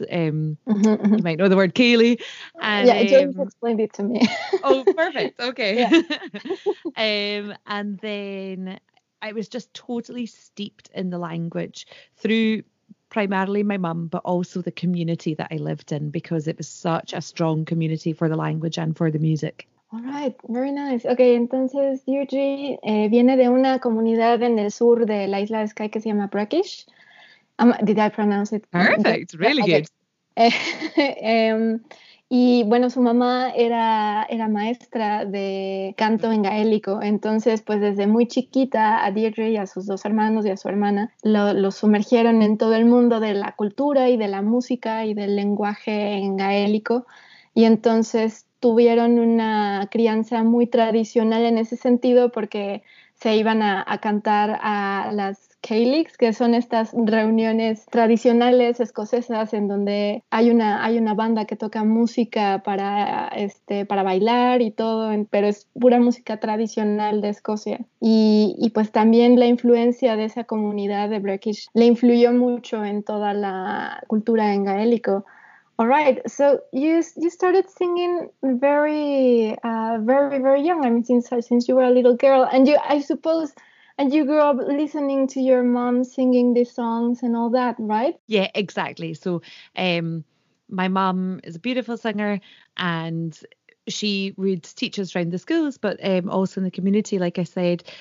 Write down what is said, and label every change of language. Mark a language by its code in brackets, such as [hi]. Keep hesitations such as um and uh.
[en] Um, mm -hmm. you might know the word Cayley. yeah, James um, explained it to me. oh, perfect. Okay. Yeah. um, and then I was just totally steeped in the language through primarily my mum, but also the community that I lived in because it was such a strong community for the language and for the music. All right, very nice. [es] Okay, entonces Yuji eh, viene de una comunidad en el sur de la isla de Sky que se llama Brackish. [en] Um, did I pronounce it? Perfect, It's really yeah, okay. good. [es] um, Y bueno, su mamá era, era maestra de canto en gaélico, entonces pues desde muy chiquita a Deirdre y a sus dos hermanos y a su hermana lo, lo, sumergieron en todo el mundo de la cultura y de la música y del lenguaje en gaélico. Y entonces tuvieron una crianza muy tradicional en ese sentido porque se iban a, a cantar a las que son estas reuniones tradicionales escocesas en donde hay una, hay una banda que toca música para, este, para bailar y todo, pero es pura música tradicional de Escocia. Y, y pues también la influencia de esa comunidad de Brekkish le influyó mucho en toda la cultura en gaélico. [en] All right, so you, you started singing very, uh, very, very young. I mean, since, since you were a little girl, and you, I suppose, And you grew up listening to your mom singing these songs and all that, right? Yeah, exactly. So, um, my mom is a beautiful singer, and she would teach us around the schools, but um, also in the community, like I said.